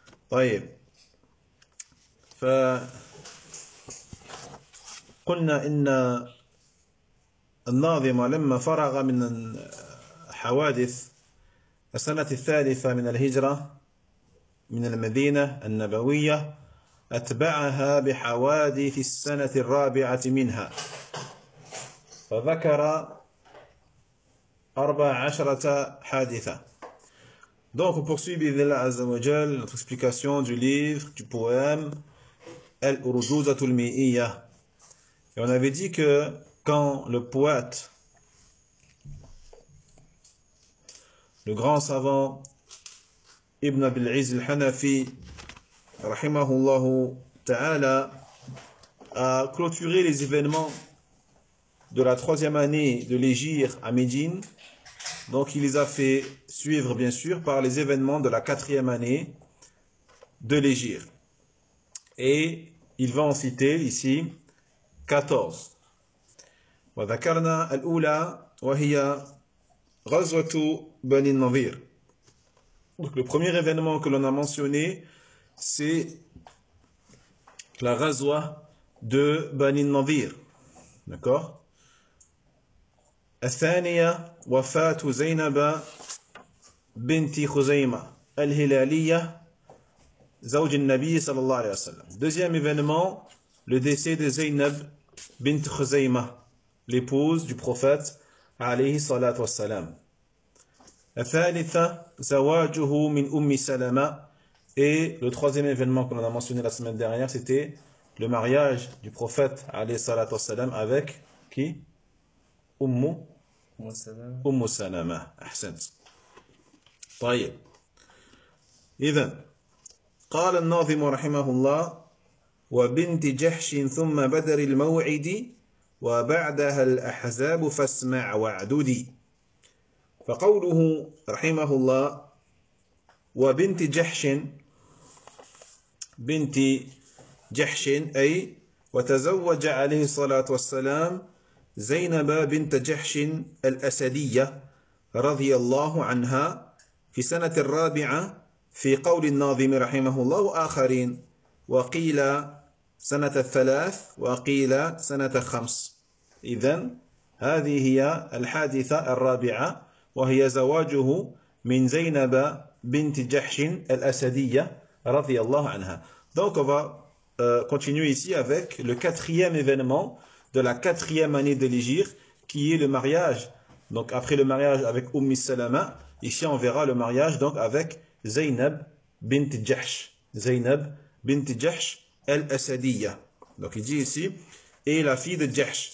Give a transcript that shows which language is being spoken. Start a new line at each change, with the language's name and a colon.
Arabic: طيب، فقلنا إن الناظم لما فرغ من حوادث السنة الثالثة من الهجرة من المدينة النبوية أتبعها بحوادث السنة الرابعة منها، فذكر 14 حادثة.
French: Donc on poursuit
Arabic: بإذن الله عز وجل
French: notre explication du livre, du poème Al-Urjuzat al-Mi'iyya. Et on avait dit que quand le poète, le grand savant Ibn Abi al-Izz al-Hanafi, rahimahullah ta'ala, a clôturé les événements de la troisième année de l'Hégire à Médine, donc il les a fait suivre bien sûr par les événements de la quatrième année de l'Hégire. Et il va en citer ici 14.
Arabic: Wa dhakarna al-oula wa hiya ghazwatu bani an-nadhir.
French: Donc le premier événement que l'on a mentionné, c'est la ghazwa de Bani an-Nadhir. D'accord ?
Arabic: الثانية وفاة زينب بنت خزيمة الهلالية زوج النبي صلى الله عليه وسلم.
French: Deuxième événement, le décès de Zainab bint Khuzaymah, l'épouse du prophète عليه الصلاة والسلام.
Arabic: الثالثة زواجه من أم سلمة.
French: Et le troisième événement que l'on a mentionné la semaine dernière, c'était le mariage du prophète عليه الصلاة والسلام avec qui?
Arabic: أم سلمة. أحسنت. طيب، إذن قال الناظم رحمه الله: وبنت جحش ثم بدر الموعد، وبعدها الأحزاب فاسمع واعددي. فقوله رحمه الله وبنت جحش، بنت جحش أي وتزوج عليه الصلاة والسلام زينب بنت جحش الأسدية رضي الله عنها في سنة الرابعة، في قول الناظم رحمه الله وآخرين، وقيل سنة الثلاث، وقيل سنة خمس. إذن هذه هي الحادثة الرابعة، وهي زواجه من زينب بنت جحش الأسدية رضي الله عنها.
French: Donc on va continuer ici avec le quatrième événement de la quatrième année de l'Hégire, qui est le mariage. Donc après le mariage avec Umm Salama, ici on verra le mariage donc avec Zainab bint Jahsh. Zainab bint Jahsh al-Asadiyya. Donc il dit ici, et la fille de Jahsh.